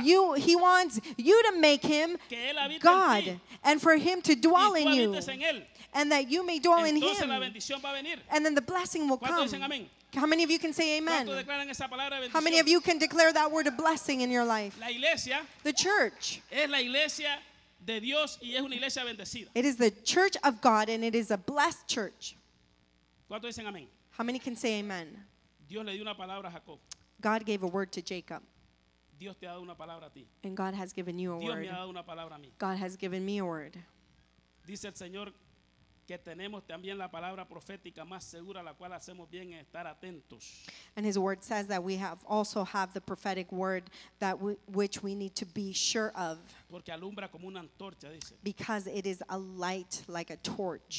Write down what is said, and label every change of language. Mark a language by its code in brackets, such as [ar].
[en] He wants you to make him [es] que él habite [en] God [es] en ti. [en] And for him to dwell [es] y tú [en] in you. [es] Habites en él. [en] And that you may dwell [es] entonces, [en] in him. [es] La bendición va a venir. [en] And then the blessing will come. [es] Dicen, [en] how many of you can say amen? [es] ¿Cuánto declaran esa palabra de bendición? [en] How many of you can declare that word of blessing in your life? [es] La iglesia, [en] the church. [es] Es la iglesia de Dios y es una iglesia bendecida. [en] It is the church of God and it is a blessed church. [es] ¿Cuánto dicen, amen? [en] How many can say amen? [es] Dios le dio una palabra a Jacob. [en] God gave a word to Jacob. [es] Dios te ha dado una palabra a ti. [en] And God has given you a [es] Dios [en] word. [es] Me ha dado una palabra a mí. [en] God has given me a word. [es] Dice el Señor que tenemos también la palabra profética más segura a la cual hacemos bien en estar atentos. [en] And his word says that we have also have the prophetic word that which we need to be sure of. [es] Porque alumbra como una antorcha, dice. [en] Because it is a light like a torch.